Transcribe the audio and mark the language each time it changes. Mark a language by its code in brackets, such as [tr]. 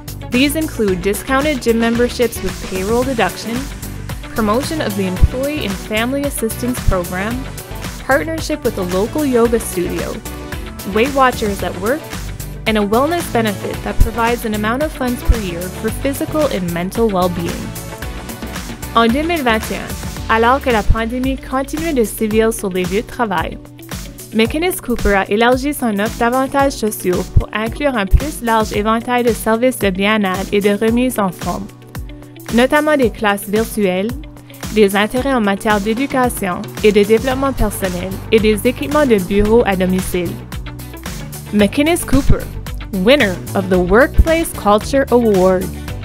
[en] These include discounted gym memberships with payroll deduction, promotion of the Employee and Family Assistance Program, partnership with a local yoga studio, Weight Watchers at Work, and a wellness benefit that provides an amount of funds per year for physical and mental well-being. [fr] En 2021, alors que la pandémie continue de sévir sur les lieux de travail, McInnes Cooper a élargi son offre d'avantages sociaux pour inclure un plus large éventail de services de bien-être et de remise en forme, notamment des classes virtuelles, des intérêts en matière d'éducation et de développement personnel et des équipements de bureau à domicile. [en] McInnes Cooper, winner of the Workplace Culture Awards.